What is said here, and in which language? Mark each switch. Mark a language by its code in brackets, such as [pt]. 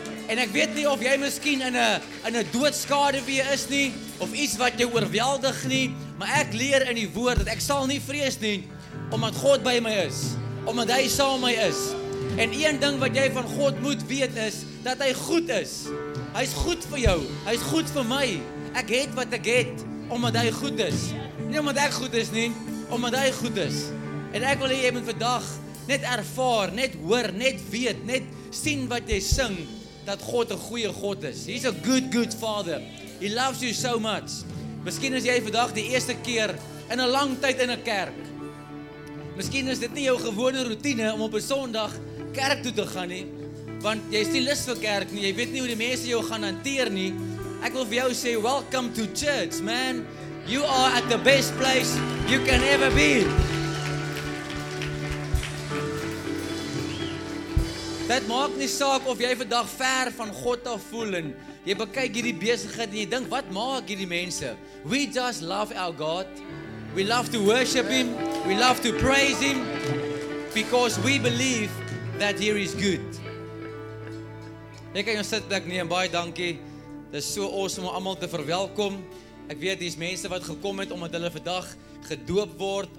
[af] En ek weet nie of jy miskien in a doodskaduwee is nie, of iets wat jou oorweldig nie, maar ek leer in die woord, dat ek sal nie vrees nie, omdat God by my is, omdat hy saam my is. En een ding wat jy van God moet weet is, dat hy goed is. Hy is goed vir jou, hy is goed vir my. Ek het wat ek het, omdat hy goed is. Nie omdat ek goed is nie, omdat hy goed is. En ek wil jy met vandag net ervaar, net hoor, net weet, net sien wat jy sing, dat God 'n goeie God is. [en] He's a good, good father. He loves you so much. [af] Miskien is jy vandag die eerste keer in 'n lang tyd in 'n kerk. Miskien is dit nie jou gewone routine om op 'n Sondag kerk toe te gaan nie, want jy is nie lus vir kerk nie, jy weet nie hoe die mense jou gaan hanteer nie. Ek wil vir jou sê, [en] welcome to church, man. You are at the best place you can ever be. [af] Dit maak nie saak of jy vandag ver van God af voel en jy bekyk hierdie besigheid en jy dink, wat maak hierdie mense? [en] We just love our God. We love to worship Him. We love to praise Him because we believe that He is good. [af] Ek kan jou sitplek neem, baie dankie. Dit is so awesome om almal te verwelkom. Ek weet, hier is mense wat gekom het omdat hulle vandag gedoop word.